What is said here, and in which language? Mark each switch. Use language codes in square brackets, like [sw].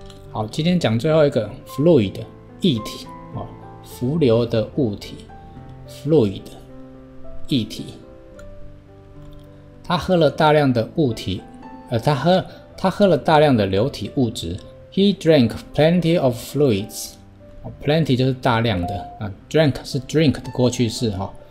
[zh] 好，今天讲最后一个 fluid， 液体，浮流的物体， fluid 液体。他喝了大量的物体，他喝了大量的流体物质。 [en] He drank plenty of fluids. [zh] Plenty 就是大量的啊 ，drank 是 drink 的过去式哈。